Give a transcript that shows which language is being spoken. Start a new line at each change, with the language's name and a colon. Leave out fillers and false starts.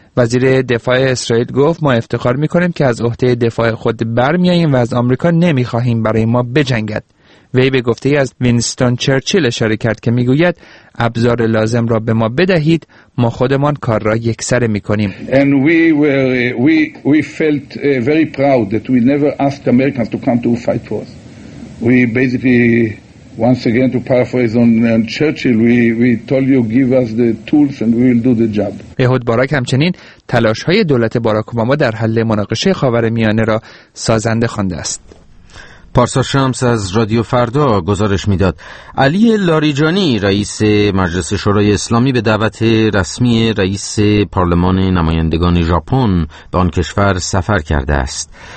Persian: وزیر دفاع اسرائیل گفت ما افتخار می‌کنیم که از عهده دفاع خود برمی‌آییم و از آمریکا نمی‌خواهیم برای ما بجنگد. وی به گفته ای از وینستون چرچیل اشاره کرد که میگوید ابزار لازم را به ما بدهید، ما خودمان کار را یکسره میکنیم.
English: And we felt very proud that we never asked Americans to come to fight for us. We basically once again to paraphrase on Churchill, we told you give us the tools and we will do the job.
Persian: اهود باراک همچنین تلاش های دولت باراک اوباما در حل مناقشه خاورمیانه را سازنده خوانده است. پارسا شمس از رادیو فردا گزارش می‌داد. علی لاریجانی، رئیس مجلس شورای اسلامی، به دعوت رسمی رئیس پارلمان نمایندگان ژاپن به آن کشور سفر کرده است.